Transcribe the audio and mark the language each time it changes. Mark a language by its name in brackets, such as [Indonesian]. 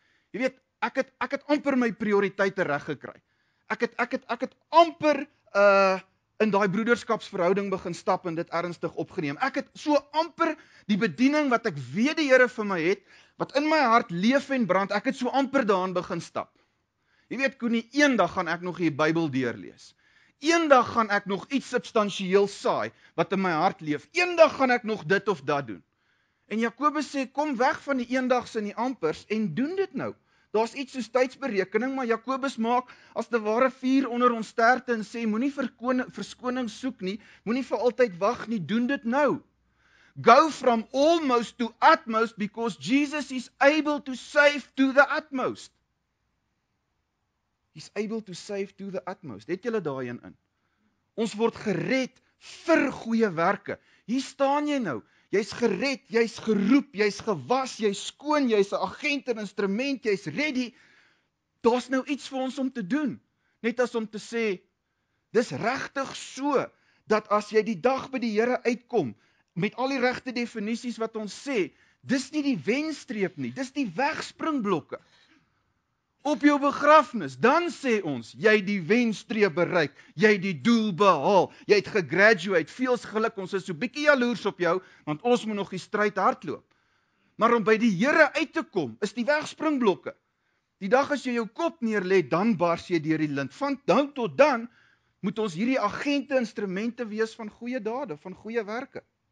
[Afrikaans] Jy weet, ek het amper my prioriteite reg gekry. Ek het amper in die broederskapsverhouding begin stap en dit ernstig opgeneem. Ek het so amper die bediening wat ek weet die Here vir my het, wat in my hart leef en brand, ek het so amper daaraan begin stap. Jy weet, Koenie, een dag gaan ek nog die Bybel deurlees. Een dag gaan ek nog iets substantieel saai wat in my hart leef. Een dag gaan ek nog dit of dat doen. En Jakobus sê, kom weg van die eendags en die ampers en doen dit nou. Daar is iets soos tydsberekening, maar Jakobus maak as de ware vuur onder ons sterte en sê, moenie verskoning soek nie, moenie vir altyd wag nie, doen dit nou. [English] Go from almost to utmost, because Jesus is able to save to the utmost. He's able to save to the utmost. [Afrikaans] Het julle daarin in? Ons word gered vir goeie werke. Hier staan jy nou. Jy is gered, jy is geroep, jy is gewas, jy is skoon, jy is 'n agent en instrument, jy is ready. Daar's nou iets vir ons om te doen. Net as om te sê, dis regtig so, dat as jy die dag by die Here uitkom, met al die regte definisies wat ons sê, dis nie die wenstreep nie, dis die wegspringblokke. Op jou begrafnis, dan sê ons, jy die wenstreep bereik, jy die doel behaal, jy het gegraduate, veel geluk, ons is so bietjie jaloers op jou, want ons moet nog die stryd hardloop. Maar om by die Here uit te kom, is die wegspringblokke. Die dag as jy jou kop neerlê, dan bars jy deur die lint. Van dan tot dan, moet ons hierdie agente instrumente wees van goeie dade, van goeie werke.